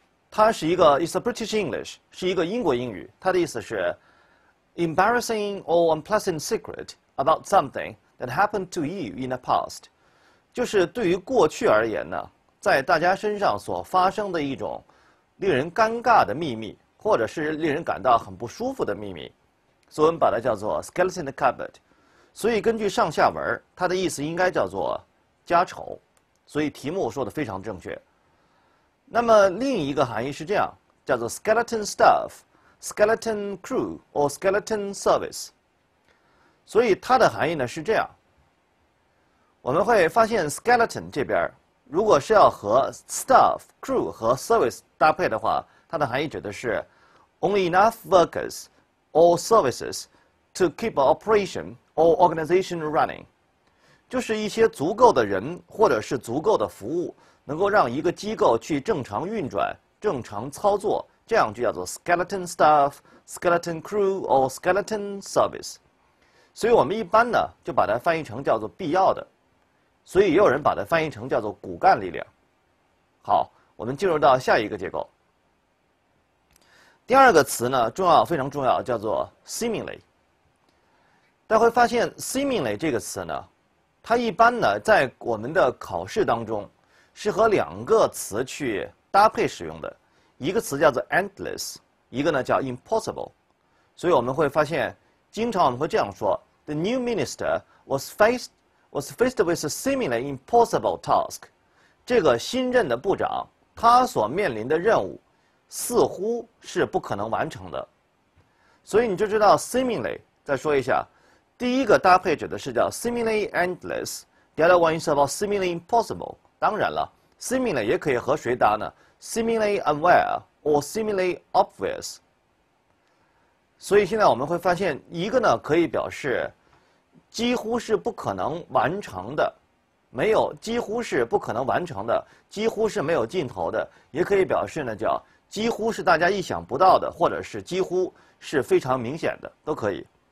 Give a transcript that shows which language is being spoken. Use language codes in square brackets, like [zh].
[zh] 它是一个 ， [en] it's a British English， [zh] 是一个英国英语。它的意思是 ， [en] embarrassing or unpleasant secret about something that happened to you in the past， [zh] 就是对于过去而言呢，在大家身上所发生的一种令人尴尬的秘密，或者是令人感到很不舒服的秘密，所以我们把它叫做 skeleton cupboard。所以根据上下文，它的意思应该叫做家丑，所以题目说的非常正确。那么另一个含义是这样，叫做 [en] skeleton staff, skeleton crew, or skeleton service。 [zh] 所以它的含义呢是这样。我们会发现 skeleton 这边，如果是要和 staff, crew 和 service 搭配的话，它的含义指的是 [en] only enough workers or services to keep operation or organization running， [zh] 就是一些足够的人或者是足够的服务，能够让一个机构去正常运转、正常操作，这样就叫做 [en] skeleton staff, skeleton crew, or skeleton service。 [zh] 所以我们一般呢，就把它翻译成叫做必要的。所以也有人把它翻译成叫做骨干力量。好，我们进入到下一个结构。第二个词呢，重要，非常重要，叫做 seemingly。大家会发现 seemingly 这个词呢，它一般呢，在我们的考试当中是和两个词去搭配使用的，一个词叫做 endless， 一个呢叫 impossible。所以我们会发现，经常我们会这样说 ： [en] The new minister was faced with a seemingly impossible task。 [zh] 这个新任的部长，他所面临的任务，似乎是不可能完成的。所以你就知道 seemingly。再说一下，第一个搭配指的是叫 seemingly endless， [en] the other one is about seemingly impossible。 [zh] 当然了 ，seemingly 也可以和谁搭呢 ？ [en] seemingly unaware or seemingly obvious。 [zh] 所以现在我们会发现，一个呢可以表示几乎是不可能完成的，没有几乎是不可能完成的，几乎是没有尽头的，也可以表示呢叫几乎是大家意想不到的，或者是几乎是非常明显的，都可以。